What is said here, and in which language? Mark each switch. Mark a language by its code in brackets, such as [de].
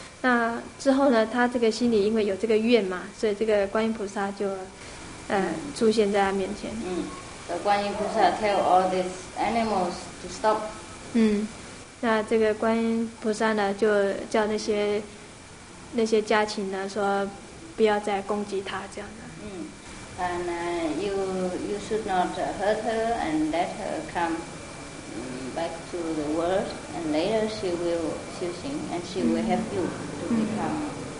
[zh] 那之后呢，他这个心里因为有这个愿嘛，所以这个观音菩萨就出现在他面前。 [en] The 观音菩萨 tell all these animals to stop. [zh] 那这个观音菩萨呢，就叫那些家禽呢说，不要再攻击他这样的。 [en] And you should not hurt her and let her come back to the world, and later she will 修行 and she will help you.